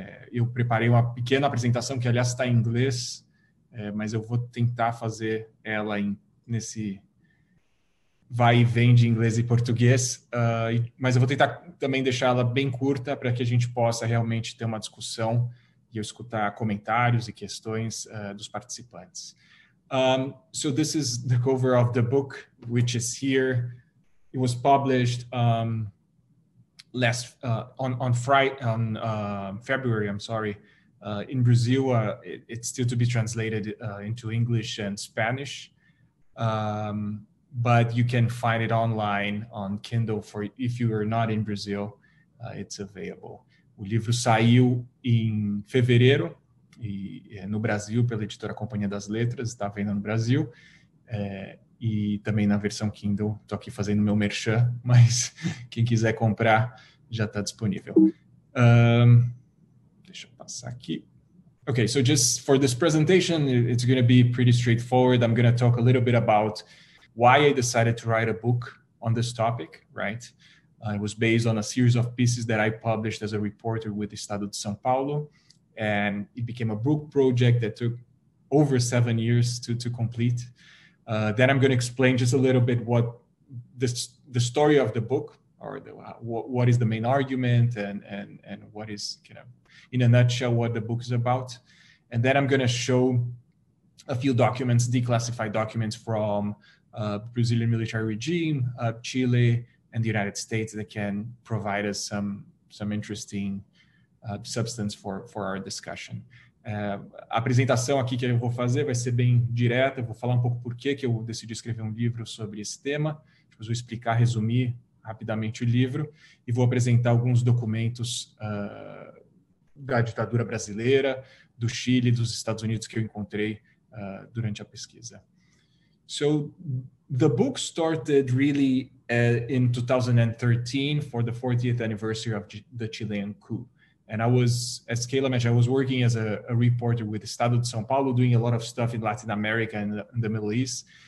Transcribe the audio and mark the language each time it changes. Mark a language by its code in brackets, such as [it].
[pt] Eu preparei uma pequena apresentação que, aliás, está em inglês, mas eu vou tentar fazer ela nesse vai e vem de inglês e português. Mas eu vou tentar também deixar ela bem curta para que a gente possa realmente ter uma discussão e eu escutar comentários e questões dos participantes. [en] So this is the cover of the book, which is here. It was published on February, in Brazil. It's still to be translated into English and Spanish, but you can find it online on Kindle for if you are not in Brazil, it's available. [pt] O livro saiu em fevereiro e no Brasil pela editora Companhia das Letras, está vendo no Brasil. E também na versão Kindle, estou aqui fazendo meu merchan, mas quem quiser comprar já está disponível. Deixa eu passar aqui. [en] Okay, so just for this presentation, it's going to be pretty straightforward. I'm going to talk a little bit about why I decided to write a book on this topic, right? It was based on a series of pieces that I published as a reporter with the Estado de São Paulo, and it became a book project that took over 7 years to complete. Then I'm going to explain just a little bit what the story of the book, or what is the main argument and what is, you know, in a nutshell, what the book is about. And then I'm going to show a few documents, declassified documents from Brazilian military regime, Chile, and the United States that can provide us some interesting substance for our discussion. [pt] A apresentação aqui que eu vou fazer vai ser bem direta, eu vou falar um pouco por que eu decidi escrever um livro sobre esse tema, depois vou explicar, resumir rapidamente o livro, e vou apresentar alguns documentos da ditadura brasileira, do Chile, dos Estados Unidos que eu encontrei durante a pesquisa. [en] So, the book started really in 2013 for the 40th anniversary of the Chilean coup. And I was, as Kayla mentioned, I was working as a reporter with Estado de São Paulo, doing a lot of stuff in Latin America and the Middle East.